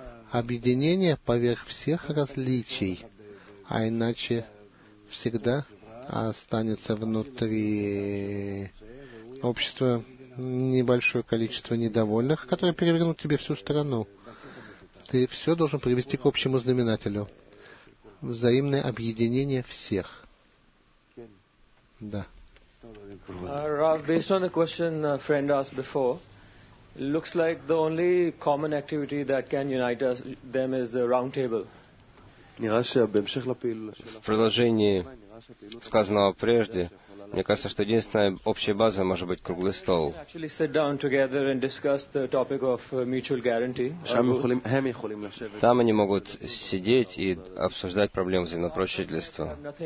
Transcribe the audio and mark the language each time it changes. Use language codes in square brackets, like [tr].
[ru] Объединение поверх всех различий. А иначе всегда останется внутри общества небольшое количество недовольных, которые перевернут тебе всю страну. Ты все должен привести к общему знаменателю. Взаимное объединение всех. Да. [en] Rav, based on the question a friend asked before, looks like the only common activity that can unite them is the round table. [ru] В продолжении сказанного прежде, мне кажется, что единственная общая база может быть круглый стол. Там они могут сидеть и обсуждать проблемы взаимопрочительства.